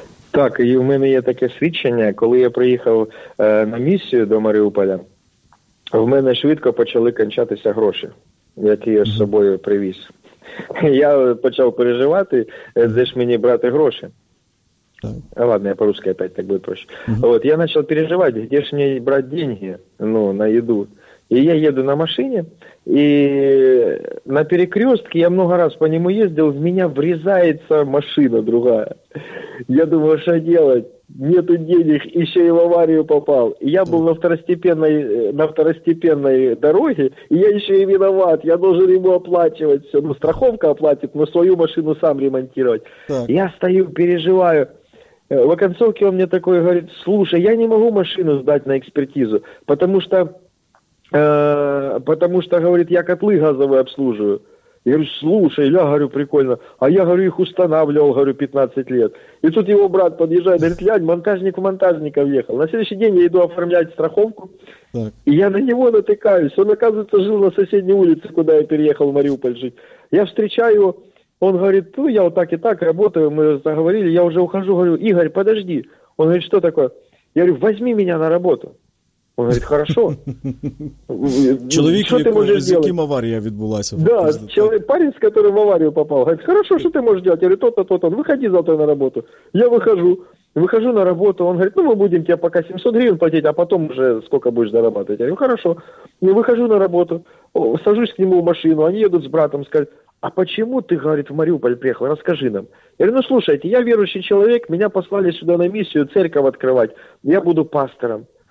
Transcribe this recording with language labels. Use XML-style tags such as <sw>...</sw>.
<uk>Так, і в мене є таке свідчення, коли я приїхав на місію до Маріуполя, в мене швидко почали кончатися гроші, які я з собою привіз. Я почав переживати, де ж мені брати гроші.</uk> <ru>Так. А ладно, я по-русски опять так буду проще.</ru> <uk>От, я почав переживати, де ж мені брати гроші, ну, на їду. І я їду на машині, і на перекрестке,</uk> <ru>я много раз</ru> <uk>по ньому їздив, в мене врізається машина друга. Я думаю, що робити?</uk> <ru>Нету денег,</ru> <uk>і ще й в аварію попав. Я був на второстепенной дорозі, і я ще й виноват.</uk> <ru>Я должен йому оплачувати все. Ну, страховка оплатить, но свою машину сам ремонтировать. Так. Я стою, переживаю. В оконцовке он мне такой говорит: слушай, я не могу машину сдать на экспертизу, потому что, говорит, я котлы газовые обслуживаю. Я говорю: слушай, я говорю, прикольно. А я, говорю, их устанавливал, говорю, 15 лет. И тут его брат подъезжает, говорит: лянь, монтажник в монтажника въехал. На следующий день я иду оформлять страховку, так. И я на него натыкаюсь. Он, оказывается, жил на соседней улице, куда я переехал в Мариуполь жить. Я встречаю его, он говорит: ну, я вот так и так работаю, мы заговорили, я уже ухожу, говорю: Игорь, подожди. Он говорит: что такое? Я говорю: возьми меня на работу. Он говорит: хорошо.</ru> <uk>Чоловік, з яким аварія відбулася?</uk> <ru>Да, парень, з которым в аварію попав, говорит: хорошо, що ти можеш делать? Я говорю: то-то,</ru> <uk>виходи завтра на роботу.</uk> <ru>Я выхожу на роботу, он говорит: ну, мы будем тебе пока 700 гривен платить, а потом уже сколько будешь зарабатывать. Я говорю: хорошо. Я выхожу на работу, сажусь к нему в машину, они едут с братом, скажут: а почему ты, говорит, в Мариуполь приехал, расскажи нам. Я говорю: ну, слушайте, я верующий человек, меня послали сюда на миссию церковь открывать, я буду пастором.</ru>